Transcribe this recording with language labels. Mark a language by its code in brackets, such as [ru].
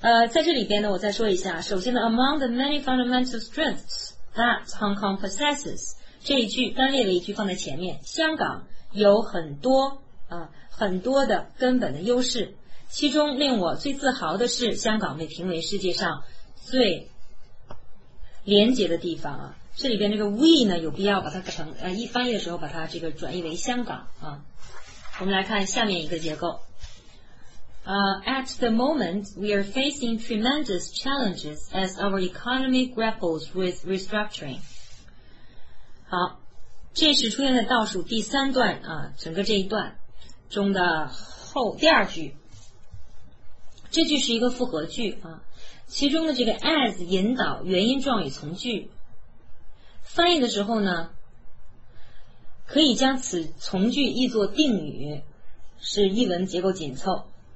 [zh] 在这里边呢，我再说一下，首先呢 ， [en] among the many fundamental strengths that Hong Kong possesses， [zh] 这一句单列了一句放在前面，香港有很多啊很多的根本的优势，其中令我最自豪的是香港被评为世界上最廉洁的地方啊。这里边这个 we 呢，有必要把它改成一翻译的时候把它这个转译为香港啊。我们来看下面一个结构。 [en] At the moment, we are facing tremendous challenges as our economy grapples with restructuring. [zh] 好，这是出现在倒数第三段啊，整个这一段中的后第二句。这句是一个复合句啊，其中的这个 as 引导原因状语从句。翻译的时候呢，可以将此从句译作定语，是译文结构紧凑。